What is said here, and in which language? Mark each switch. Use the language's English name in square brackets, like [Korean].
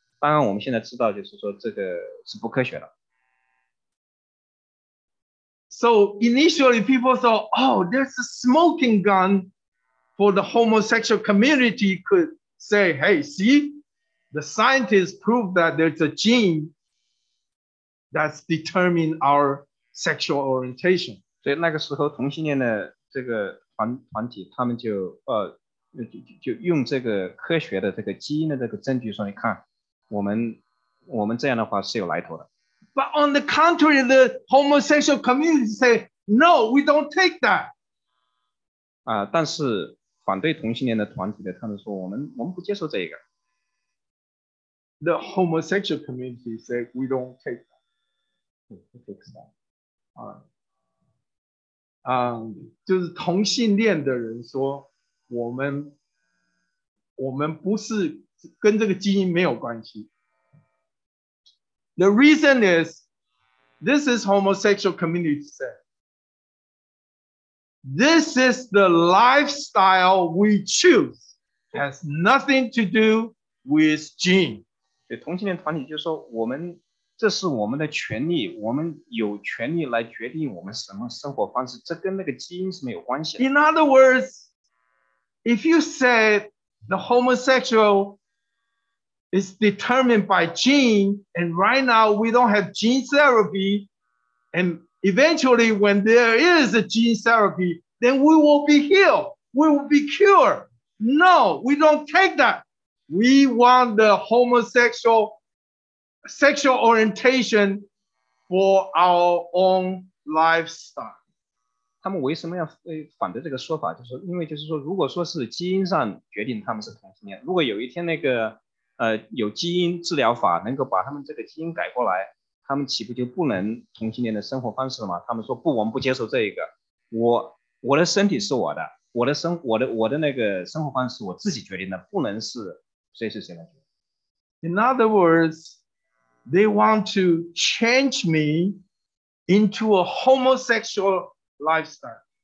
[Chinese] 当然我们现在知道，就是说这个是不科学的。 [English] So initially people thought, oh, there's a smoking gun for the homosexual community could say, hey, see, the scientists proved that there's a gene that's determined our sexual orientation. [Chinese] 所以那个时候同性恋的这个团体他们就用这个科学的这个基因的这个证据说，你看我们这样的话是有来头的。 [English] But on the contrary, the homosexual community say, no, we don't take that. [Chinese] 但是反对同性恋的团体的他们说我们不接受这个。 [English] The homosexual community say, we don't take that. We don't take that. [Chinese] 就是同性恋的人说我们不是跟这个基因没有关系。 [English] The reason is, this is homosexual community said. This is the lifestyle we choose. Has nothing to do with gene. [Chinese] 对，同性恋团体就说这是我们的权利，我们有权利来决定我们什么生活方式，这跟那个基因是没有关系的。 [English] In other words, if you say the homosexual is determined by gene, and right now we don't have gene therapy, and eventually when there is a gene therapy, then we will be healed, we will be cured. No, we don't take that. We want the homosexual orientation for our own lifestyle. [Chinese] 他们为什么要反对这个说法？就是因为就是说，如果说是基因上决定他们是同性恋，如果有一天那个有基因治疗法能够把他们这个基因改过来，他们岂不就不能同性恋的生活方式了吗？他们说不，我们不接受这一个。我的身体是我的，我的那个生活方式我自己决定的，不能是谁是谁来决定。 [English] In other words. They want to change me into a homosexual lifestyle.